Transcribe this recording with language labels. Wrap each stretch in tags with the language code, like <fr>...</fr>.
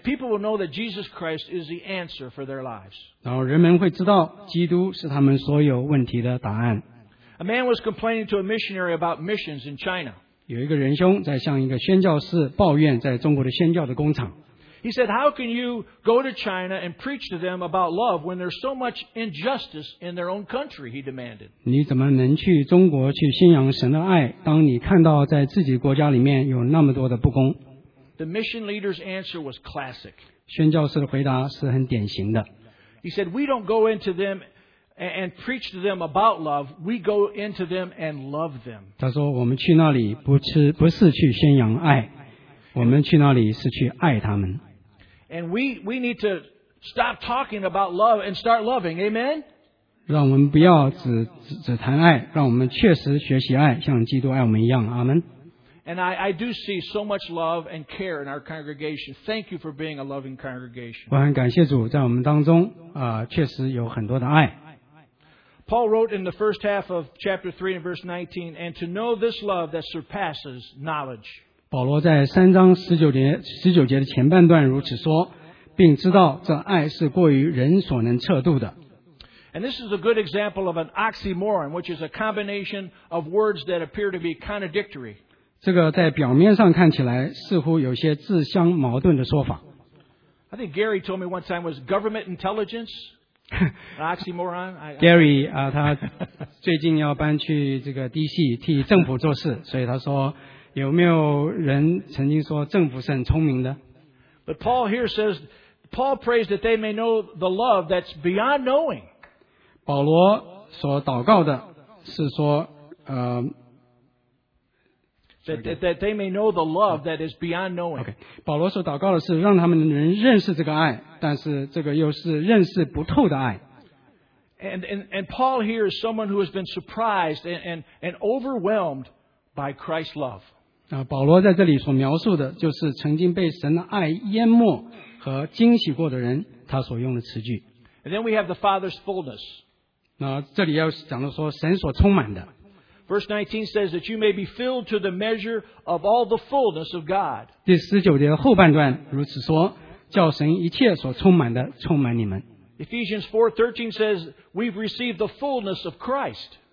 <en>people will know that Jesus Christ is the answer for their lives.</en> <zh>然后人们会知道基督是他们所有问题的答案。</zh> <en>A man was complaining to a missionary about missions in China.</en> <zh>有一个仁兄在向一个宣教士抱怨在中国的宣教的工厂。</zh> <en>He said, How can you go to China and preach to them about love when there's so much injustice in their own country? He demanded.</en> <zh>你怎么能去中国去宣扬神的爱，当你看到在自己国家里面有那么多的不公？</zh> <en>The mission leader's answer was classic.</en> <zh>宣教士的回答是很典型的。</zh> <en>He said, We don't go into them and preach to them about love, we go into them and love them.</en> <zh>他说，我们去那里不是去宣扬爱，我们去那里是去爱他们。</zh> <en>And we need to stop talking about love and start loving. Amen?</en> <zh>让我们不要只谈爱，让我们确实学习爱，像基督爱我们一样。阿们。</zh> <en>And I do see so much love and care in our congregation. Thank you for being a loving congregation.</en> <zh>我很感谢主在我们当中确实有很多的爱。</zh> <en>Paul wrote in the first half of chapter 3 and verse 19, and to know this love that surpasses knowledge.</en> <zh>保罗在三章十九节的前半段如此说，并知道这爱是过于人所能测度的。</zh> <en>And this is a good example of an oxymoron, which is a combination of words that appear to be contradictory.</en> <zh>这个在表面上看起来似乎有些自相矛盾的说法。</zh> <en>I think Gary told me one time was government intelligence, an oxymoron.</en> <zh>Gary, 他最近要搬去这个 DC 替政府做事，所以他说有没有人曾经说政府是很聪明的？</zh> <en>But Paul here says, Paul prays that they may know the love that's beyond knowing.</en> <zh>保罗所祷告的是说</zh> <en>that they may know the love that is beyond knowing. Okay.</en> <zh>保罗所祷告的是让他们能认识这个爱，但是这个又是认识不透的爱。</zh> <en>And Paul here is someone who has been surprised and overwhelmed by Christ's love.</en> <zh>保罗在这里所描述的就是曾经被神的爱淹没和惊喜过的人，他所用的词句。</zh> <en>And then we have the Father's fullness.</en> <zh>那这里要讲到说神所充满的。</zh> <en>Verse 19 says that you may be filled to the measure of all the fullness of God.</en> <zh>第十九节后半段如此说，叫神一切所充满的充满你们。</zh> <en>Ephesians 4:13 says we've received the fullness of Christ.</en>